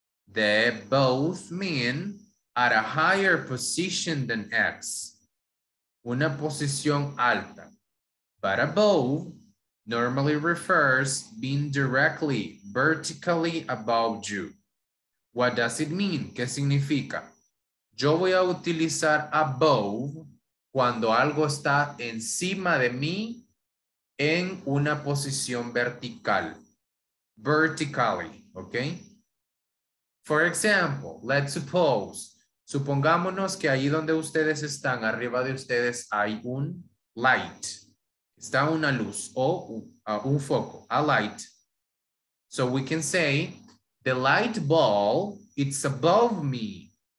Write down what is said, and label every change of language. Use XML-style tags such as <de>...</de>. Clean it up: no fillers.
<en>They both mean at a higher position than X.</en> <es>Una posición alta.</es> <en>But above normally refers being directly, vertically above you. What does it mean?</en> <es>¿Qué significa? Yo voy a utilizar above cuando algo está encima de mí en una posición vertical.</es> <en>Vertically, okay? For example, let's suppose,</en> <es>supongámonos que ahí donde ustedes están, arriba de ustedes hay un light. Está una luz o un foco, a light.</es> <en>So we can say, the light ball, it's above me.</en>